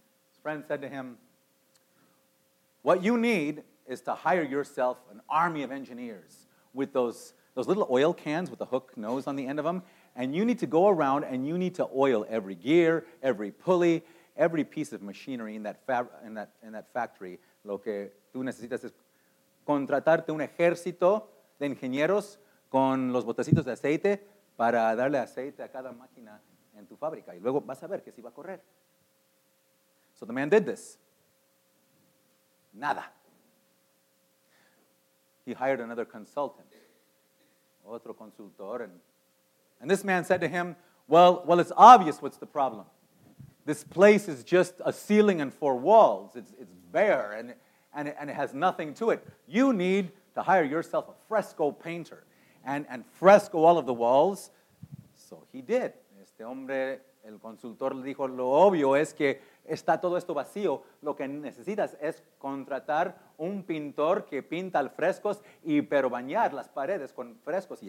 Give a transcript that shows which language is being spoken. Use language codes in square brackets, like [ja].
[en] His friend said to him, "What you need is to hire yourself an army of engineers with those little oil cans with a hook nose on the end of them, and you need to go around and you need to oil every gear, every pulley, every piece of machinery in that factory." [es] "Lo que tú necesitas es contratarte un ejército de ingenieros con los botecitos de aceite para darle aceite a cada máquina en tu fábrica. Y luego vas a ver que sí va a correr." [en] So the man did this. [es] Nada. [en] He hired another consultant. [es] Otro consultor. [en] And this man said to him, well, it's obvious what's the problem. This place is just a ceiling and four walls. It's bare and it has nothing to it. You need to hire yourself a fresco painter and fresco all of the walls." So he did. [es] Este hombre, el consultor, le dijo, "Lo obvio es que está todo esto vacío. Lo que necesitas es contratar un pintor que pinta al frescos y pero bañar las paredes con frescos."